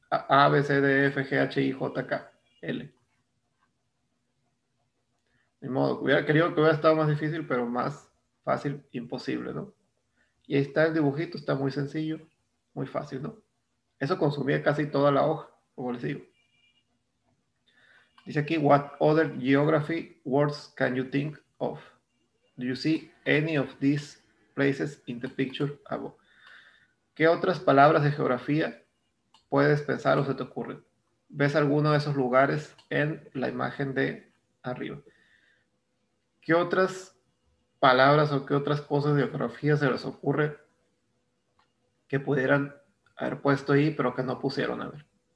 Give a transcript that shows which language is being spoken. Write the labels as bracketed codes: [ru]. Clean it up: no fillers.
[en] A, B, C, D, F, G, H, I, J, K, L. [es] Ni modo, hubiera querido que hubiera estado más difícil, pero más fácil, imposible, ¿no? Y ahí está el dibujito, está muy sencillo, muy fácil, ¿no? Eso consumía casi toda la hoja, como les digo. Dice aquí, [en] what other geography words can you think of? Do you see any of these places in the picture above? [es] ¿Qué otras palabras de geografía puedes pensar o se te ocurren? ¿Ves alguno de esos lugares en la imagen de arriba? ¿Qué otras palabras o qué otras cosas de geografía se les ocurre que pudieran haber puesto ahí pero que no pusieron a ver?